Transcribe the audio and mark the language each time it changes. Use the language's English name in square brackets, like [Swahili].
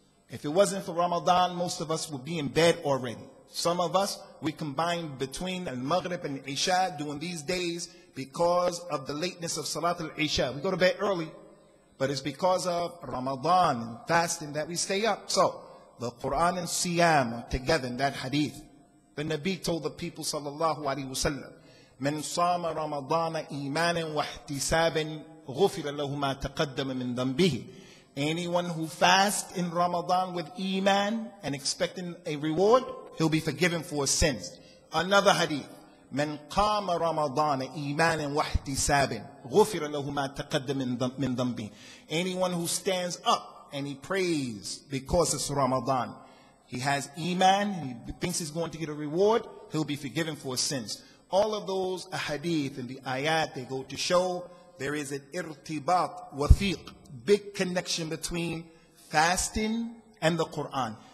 [English] If it wasn't for Ramadan, most of us would be in bed already. Some of us, we combine between Al-Maghrib and Isha during these days because of the lateness of Salat al-Isha. We go to bed early, but it's because of Ramadan and fasting that we stay up. So, the Quran and Siyam are together in that hadith. The Nabi told the people, [Arabic] sallallahu alayhi wa sallam, من صام رمضان إيمانا واحتسابا غفر له ما تقدم من ذنبه. [English] Anyone who fasts in Ramadan with Iman and expecting a reward, he'll be forgiven for his sins. Another hadith. [Arabic] من قام رمضان إيمانا واحتسابا غفر له ما تقدم من ذنبه. [English] Anyone who stands up and he prays because it's Ramadan, he has Iman, he thinks he's going to get a reward, he'll be forgiven for his sins. All of those hadith and the ayat, they go to show there is an irtibat wathiq, big connection between fasting and the Quran.